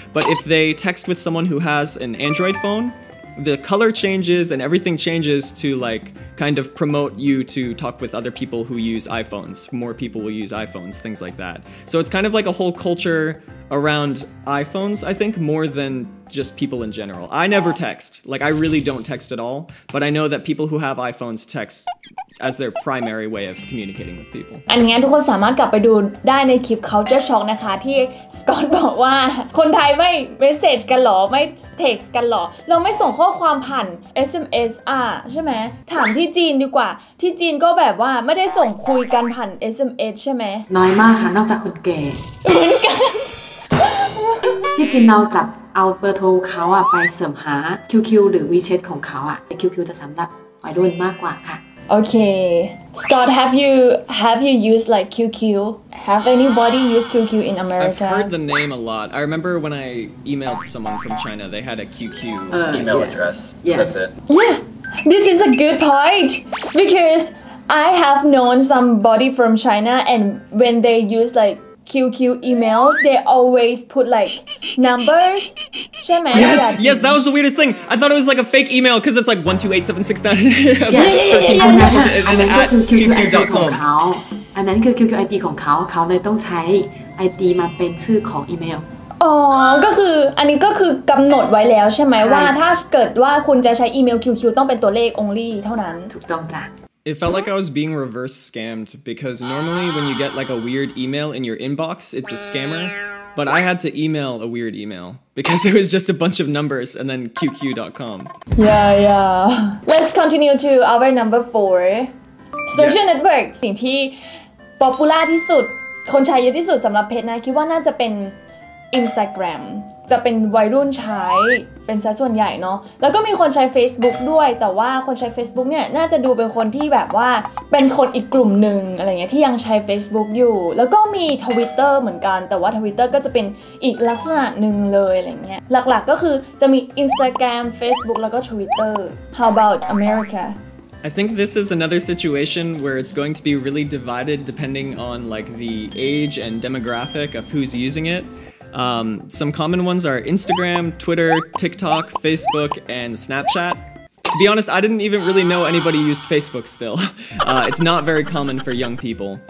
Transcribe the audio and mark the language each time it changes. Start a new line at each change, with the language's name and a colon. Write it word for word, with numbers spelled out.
English: But if they text with someone who has an Android phone,The color changes and everything changes to like kind of promote you to talk with other people who use iPhones. More people will use iPhones, things like that. So it's kind of like a whole culture around iPhones, I think, more than just people in general. I never text. Like I really don't text at all, but I know that people who have iPhones text as their primary way of communicating with people.
Thai: อันนี้ทุกคนสามารถกลับไปดูได้ในคลิป Culture Shock นะคะที่สกอตบอกว่าคนไทยไม่เมสเสจกันหรอไม่เท็กซ์กันหรอเราไม่ส่งข้อความผ่าน เอส เอ็ม เอส อ่ะใช่ไหมถามที่จีนดีกว่าที่จีนก็แบบว่าไม่ได้ส่งคุยกันผ่าน เอส เอ็ม เอส ใช่ไหม น้อยมากค่ะนอกจากคนแก่ เหมือนกัน ที่จีนเราจับเอาเบอร์โทรเขาอ่ะไปเสริมหา คิว คิว หรือ WeChat ของเขาอ่ะ คิว คิว จะสำหรับวัยรุ่นมากกว่าค่ะ
English: Okay, Scott, have you have you used like Q Q? Have anybody used Q Q in America? I've heard the name a lot. I remember when I emailed someone from China, they had a Q Q uh, email yeah. address. Yeah. That's it. Yeah, this is a good point because I have known somebody from China, and when they use like Q Q email, they always put like numbers. Yes, yes, that was the weirdest thing. I thought it was like a fake email because it's like one two eight seven six nine.
Thai: Yeah, and then at คิว คิว ไอ ดี ของเขาอันนั้นคือ คิว คิว ไอ ดี ของเขาเขาเลยต้องใช้ ไอ ดี มาเป็นชื่อของอีเมล อ๋อก็คืออันนี้ก็คือกำหนดไว้แล้วใช่ไหมว่าถ้าเกิดว่าคุณจะใช้อีเมล คิว คิว ต้องเป็นตัวเลข only เท่านั้น ถูกต้องจ้ะ
English: It felt like I was being reverse scammed because normally when you get like a weird email in your inbox, it's a scammer. But I had to email a weird email because it was just a bunch of numbers and then Q Q dot com. Yeah, yeah. Let's continue to our number four. Social yes. network.
Thai: สิ่งที่ popular ที่สุด คนใช้เยอะที่สุดสำหรับเพจนะคิดว่าน่าจะเป็น Instagram จะเป็นวัยรุ่นใช้เป็นซะส่วนใหญ่เนาะแล้วก็มีคนใช้ Facebook ด้วยแต่ว่าคนใช้ Facebook เนี่ยน่าจะดูเป็นคนที่แบบว่าเป็นคนอีกกลุ่มหนึ่งอะไรเงี้ยที่ยังใช้ Facebook อยู่แล้วก็มี Twitter เหมือนกันแต่ว่า Twitter ก็จะเป็นอีกลักษณะหนึ่งเลยอะไรเงี้ยหลักๆก็คือจะมี Instagram Facebook แล้วก็ Twitter
English: How about America I think this is another situation where it's going to be really divided depending on like the age and demographic of who's using it. Um, some common ones are Instagram, Twitter, TikTok, Facebook, and Snapchat. To be honest, I didn't even really know anybody used Facebook still. Uh, it's not very common for young people.